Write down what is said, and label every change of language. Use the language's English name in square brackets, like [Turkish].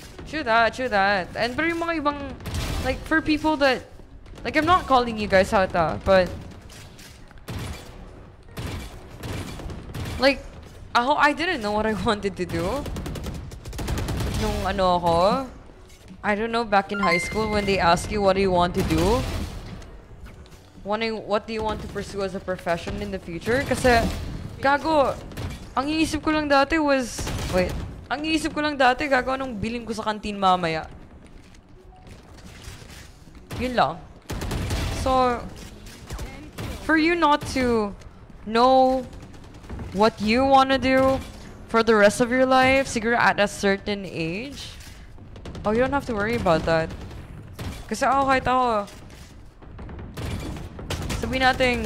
[English] And [Filipino] pero yung mga ibang, [English] like, for people that, like, I'm not calling you guys out, but like, I didn't know what I wanted to do. [Filipino] Nung ano ako, [English] I don't know, back in high school when they ask you what do you want to do. What do you want to pursue as a profession in the future? [Filipino] Kasi gago, ang iniisip ko lang dati [English] was... Wait. [Filipino] Ang iniisip ko lang dati, gago, anong bilhin ko sa canteen mamaya. Yun lang. [English] So, for you not to know what you wanna do for the rest of your life, [Filipino] siguro [English] at a certain age, oh, you don't have to worry about that. [Filipino] Kasi ako, kahit ako, [English] nothing.